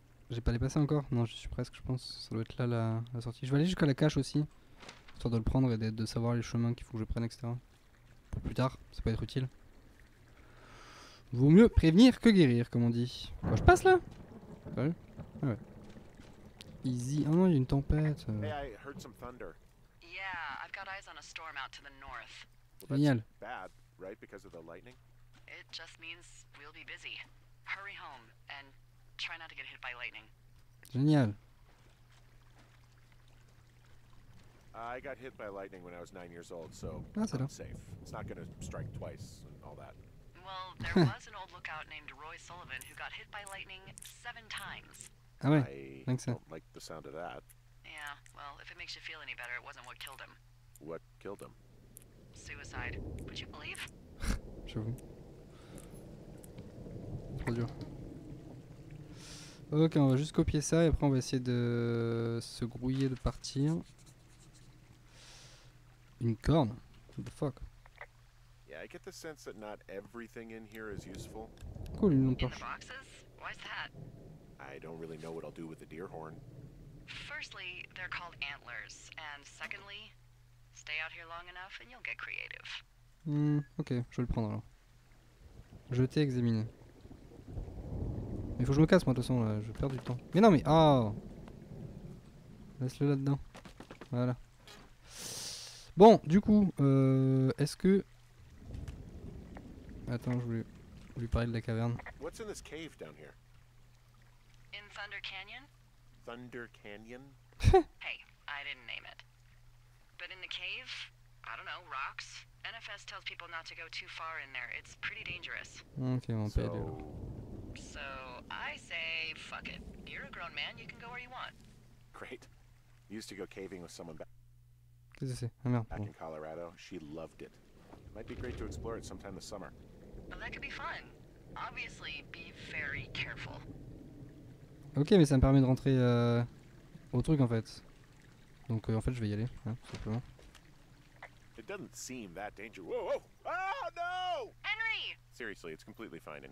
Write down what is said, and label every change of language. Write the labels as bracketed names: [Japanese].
[French] J'ai pas dépassé encore. Non, je suis presque, je pense. Ça doit être là la sortie. Je vais aller jusqu'à la cache aussi, histoire de le prendre et de savoir les chemins qu'il faut que je prenne, etc. Pour plus tard, ça peut être utile. Vaut mieux prévenir que guérir, comme on dit. Moi, je passe là. Ouais. Ah ouais. Easy. Oh non, il y a une tempête. [English] Hey, I heard some thunder. Yeah, I've got eyes on a storm out to the north. [French] Génial. [English] Well, that's bad, right, because of the lightning? It just means we'll be busy. Hurry home and try not to get hit by lightning. [French] Génial. [English] I got hit by lightning when I was 9 years old, so ah, I'm safe. It's not gonna strike twice and all that. Well, there was an old lookout named Roy Sullivan who got hit by lightning 7 times. [French] Ah ouais, [English] I think so. Don't like the sound of that. Yeah, well, if it makes you feel any better, it wasn't what killed him. What killed him? Suicide. Would you believe? [French] J'avoue. Trop dur. Ok, on va juste copier ça et après on va essayer de se grouiller de partir. Une corne? [English] What the fuck? I get the sense that not everything in here is useful. [French] Cool, une lampe torche. [English] In the boxes? Why's that? I don't really know what I'll do with the deer horn. Firstly, they're called antlers, and secondly, stay out here long enough and you'll get creative. [French] Ok, je vais le prendre alors. Je t'ai examiné. Mais faut que je me casse moi de toute façon là, je perds du temps. Mais non mais oh. Laisse-le là-dedans. Voilà. Bon, du coup, est-ce que attends, je voulais lui parler de la caverne. [English] What's in this cave down here? In Thunder Canyon? Thunder Canyon? Hey, I didn't name it. But in the cave, I don't know, rocks. NFS tells people not to go too far in there. It's pretty dangerous. [French] OK, on peut aller. [English] So, I say fuck it. You're a grown man, you can go where you want. Great. Used to go caving with someone back. [French] Qu'est-ce que c'est? Ah merde. [English] Back in Colorado, she loved it. Might be great to explore it sometime this summer. Well, that could be fun. Obviously, be very careful. [French] Ok, mais ça me permet de rentrer au truc en fait. Donc en fait, je vais y aller, hein, tout simplement. [English] It doesn't seem that dangerous. Whoa, whoa. Ah no! Henry! Seriously, it's completely fine in